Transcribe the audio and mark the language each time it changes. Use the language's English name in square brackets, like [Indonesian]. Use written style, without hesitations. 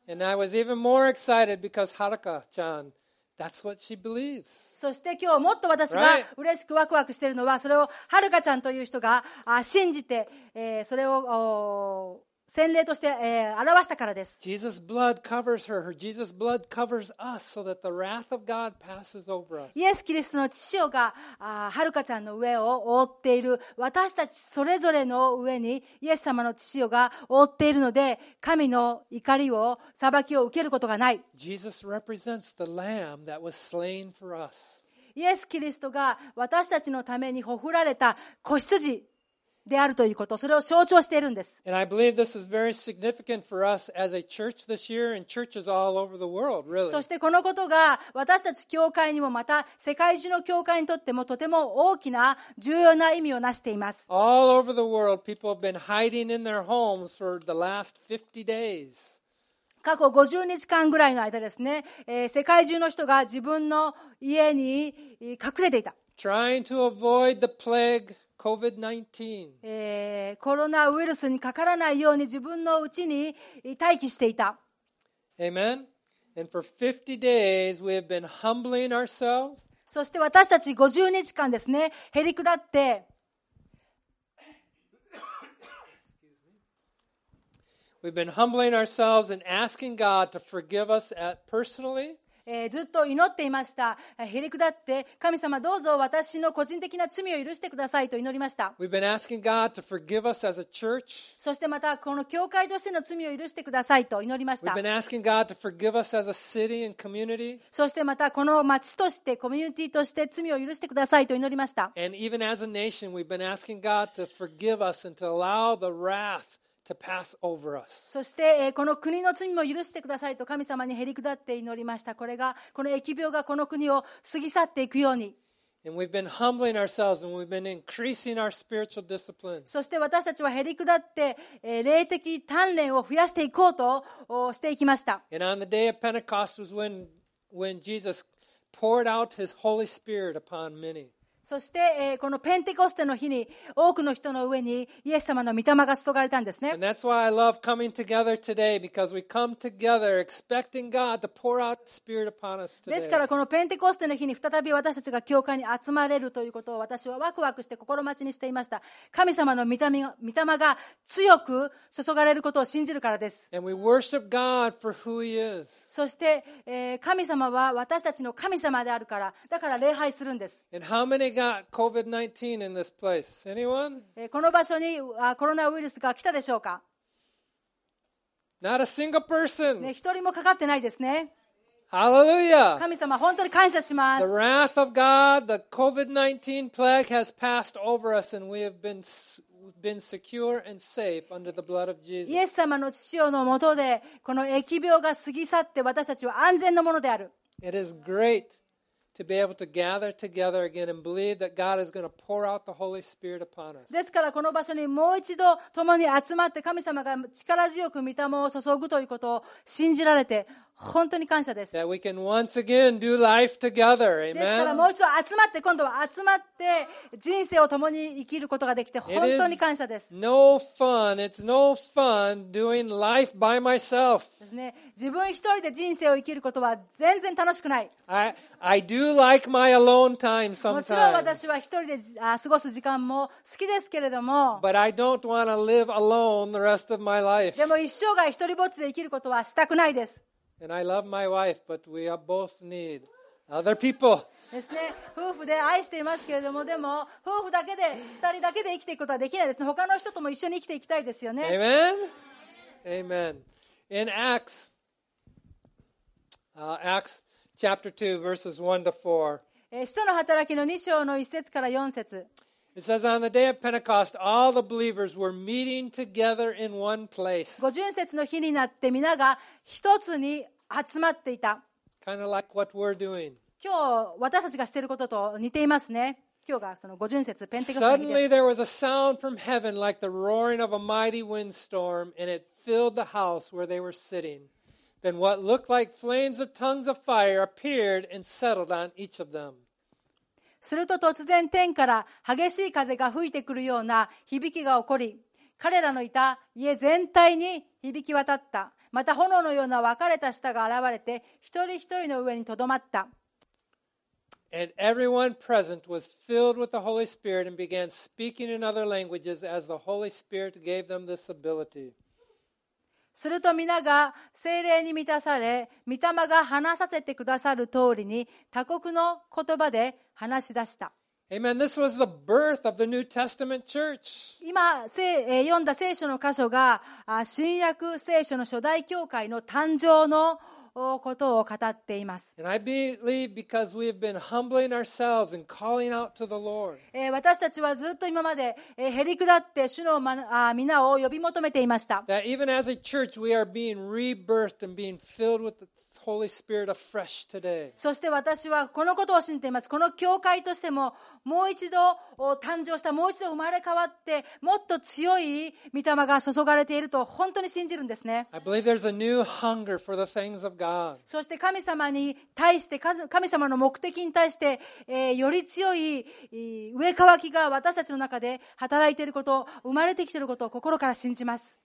[English] And I was even more excited because Haruka-chan, that's what she believes. [Japanese] そして今日もっと私が嬉しくワクワクしているのは、それをはるかちゃんという人が信じて、それを洗礼として表したからです。 [English] Jesus' blood covers her. Jesus' blood covers us so that the wrath of God passes over us. [Japanese] イエス・キリストの血がはるかちゃんの上を覆っている。私たちそれぞれの上にイエス様の血が覆っているので、神の怒りを、裁きを受けることがない。 [English] Jesus represents the lamb that was slain for us. [Japanese] イエス・キリストが私たちのためにほふられた子羊。であるということ、それを象徴しているんです。 [English] And I believe this is very significant for us as a church this year and churches all over the world, really. [Japanese] そしてこのことが私たち教会にもまた世界中の教会にとってもとても大きな重要な意味をなしています。 [English] All over the world, people have been hiding in their homes for the last 50 days. [Japanese] 過去50日間ぐらいの間ですね、世界中の人が自分の家に隠れていた。 [English] Trying to avoid the plague. COVID-19. [Japanese] コロナウイルスにかからないように自分の家に待機していた。 [English] Amen. And for 50 days, we have been humbling ourselves. [Japanese] そして私たち50日間ですね、へりくだって。 [English] We've been humbling ourselves and asking God to forgive us at personally. [Japanese] ずっと祈っていました。へりくだって神様どうぞ私の個人的な罪を許してくださいと祈りました。 [English] We've been asking God to forgive us as a church. [Japanese] そしてまたこの教会としての罪を許してくださいと祈りました。 [English] We've been asking God to forgive us as a city and community. [Japanese] そしてまたこの町としてコミュニティとして罪を許してくださいと祈りました。 [English] And even as a nation, we've been asking God to forgive us and to allow the wrathTo pass over us. [Japanese] そしてこの国の罪も許してくださいと神様にへりくだって祈りました。これがこの疫病がこの国を過ぎ去っていくように。 [English] And we've been humbling ourselves and we've been increasing our spiritual discipline. [Japanese] そして私たちはへりくだって霊的鍛錬を増やしていこうとしていきました。 [English] And on the day of Pentecost was when Jesus poured out his Holy Spirit upon many. [Japanese] そして、このペンテコステの日に多くの人の上にイエス様の御霊が注がれたんですね。 [English] And that's why I love coming together today, because we come together expecting God to pour out the Spirit upon us today. [Japanese] ですからこのペンテコステの日に再び私たちが教会に集まれるということを私はワクワクして心待ちにしていました。神様の御霊が強く注がれることを信じるからです。 [English] And we worship God for who He is. [Japanese] そして、神様は私たちの神様であるから、だから礼拝するんです。 [English] And how manyGot COVID-19 in this place. Anyone? [Japanese] この場所にコロナウイルスが来たでしょうか? [English] Not a single person. [Japanese] 一人もかかってないですね。 [English] Hallelujah. [Japanese] 神様、本当に感謝します。 [English] The wrath of God, the COVID-19 plague has passed over us, and we have been secure and safe under the blood of Jesus. [Japanese] イエス様の父よのもとで、この疫病が過ぎ去って私たちは安全のものである。 [English] It is great. To be able to gather together again and believe that God is going to pour out the Holy Spirit upon us. [Japanese] ですからこの場所にもう一度共に集まって神様が力強く御霊を注ぐということを信じられて本当に感謝です。 [English] That we can once again do life together. Amen. [Japanese] ですからもう一度集まって今度は集まって人生を共に生きることができて本当に感謝です。 [English] It is no fun. It's no fun doing life by myself. [Japanese] ですね。自分一人で人生を生きることは全然楽しくない。 [English] I do like my alone time sometimes. [Japanese] もちろん私は一人で過ごす時間も好きですけれども。 [English] But I don't want to live alone the rest of my life. [Japanese] でも一生涯一人ぼっちで生きることはしたくないです。 [English] And I love my wife, but we both need other people. [Japanese] ですね。夫婦で愛していますけれども、でも夫婦だけで二人だけで生きていくことはできないですね。他の人とも一緒に生きていきたいですよね。 [English] Amen. Amen. In Acts, Acts chapter 2, verses 1 to 4. [Japanese] 使徒の働きの2章の1節から4節。 [English] It says, on the day of Pentecost, all the believers were meeting together in one place. [Japanese] 五旬節の日になって皆が一つに集まっていた。 [English] Kind of like what we're doing. [Japanese] 今日私たちがしていることと似ていますね。今日がその五旬節、ペンテコステです。 [English] Suddenly there was a sound from heaven like the roaring of a mighty windstorm, and it filled the house where they were sitting. Then what looked like flames of tongues of fire appeared and settled on each of them. [Japanese] すると突然天から激しい風が吹いてくるような響きが起こり、彼らのいた家全体に響き渡った。また炎のような分かれた舌が現れて、一人一人の上にとどまった。 [English] And everyone present was filled with the Holy Spirit and began speaking in other languages as the Holy Spirit gave them this ability. [Japanese] すると皆が聖霊に満たされ、御霊が話させてくださる通りに他国の言葉で話し出した。 [English] Amen. This was the birth of the New Testament church. [Japanese] 今読んだ聖書の箇所が新約聖書の初代教会の誕生のことを語っています。 [English] And I believe because we have been humbling ourselves and calling out to the Lord. [Japanese] 私たちはずっと今まで減り下って主の皆を呼び求めていました。 [English] That even as a church we are being rebirthed and being filled with the Holy Spirit afresh today. [Japanese] そして私はこのことを信じています。この教会としてももう一度誕生した、もう一度生まれ変わって、もっと強い御霊が注がれていると本当に信じるんですね。 [English] I believe there's a new hunger for the things of God. [Japanese] そして神様に対して、神様の目的に対して、より強い上渇きが私たちの中で働いていること、生まれてきていることを心から信じます。